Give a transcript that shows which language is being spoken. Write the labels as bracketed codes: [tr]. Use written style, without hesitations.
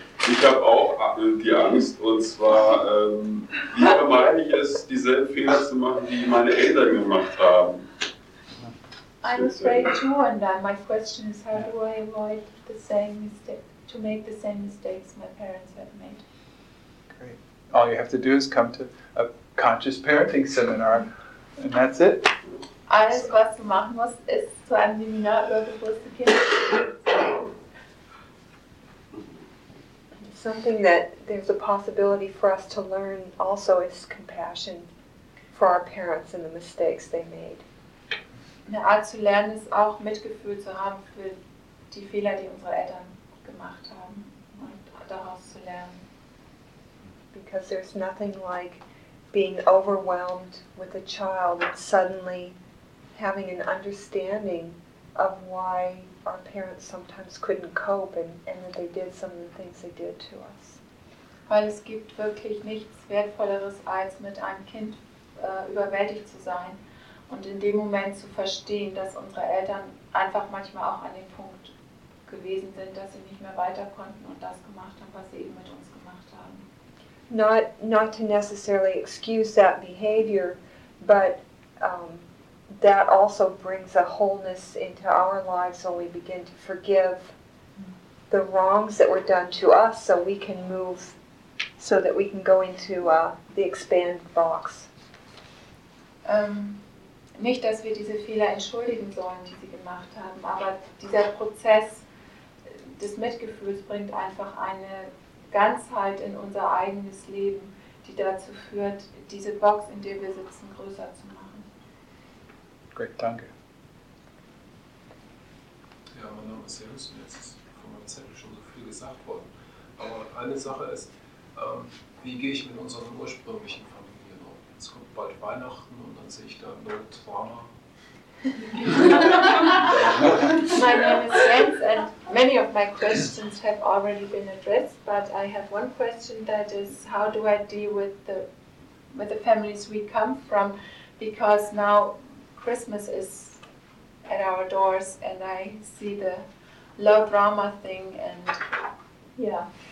[de] Ich habe auch die Angst, und zwar, wie vermeide ich es, dieselben Fehler zu machen, die meine Eltern gemacht haben? [en] I'm afraid too, and my question is, how do I avoid the same mistake, to make the same mistakes my parents have made? Great. All you have to do is come to a conscious parenting seminar, and that's it. [de] Alles, was du machen musst, ist zu einem Seminar über bewusste Kinder. [en] Something that there's a possibility for us to learn also is compassion for our parents and the mistakes they made. [de] Eine Art zu lernen ist auch Mitgefühl zu haben für die Fehler, die unsere Eltern gemacht haben, und daraus zu lernen. [en] Because there's nothing like being overwhelmed with a child and suddenly having an understanding of why our parents sometimes couldn't cope and that they did some of the things they did to us. [de] Weil es gibt wirklich nichts Wertvolleres, als mit einem Kind überwältigt zu sein und in dem Moment zu verstehen, dass unsere Eltern einfach manchmal auch an dem Punkt gewesen sind, dass sie nicht mehr weiter konnten und das gemacht haben, was sie eben mit uns gemacht haben. [en] Not to necessarily excuse that behavior, but that also brings a wholeness into our lives when we begin to forgive the wrongs that were done to us, so we can move, so that we can go into the expanded box. [de] Nicht, dass wir diese Fehler entschuldigen sollen, die sie gemacht haben, aber dieser Prozess des Mitgefühls bringt einfach eine Ganzheit in unser eigenes Leben, die dazu führt, diese Box, in der wir sitzen, größer zu machen. Great, danke. Ja, mein Name ist Jens, und jetzt ist von meinem Zettel schon so viel gesagt worden. Aber eine Sache ist, wie gehe ich mit unseren ursprünglichen Familien um? Es kommt bald Weihnachten und dann sehe ich da [en] no drama. My name is Jens, and many of my questions have already been addressed, but I have one question, that is, how do I deal with the families we come from? Because now Christmas is at our doors, and I see the low drama thing, and yeah.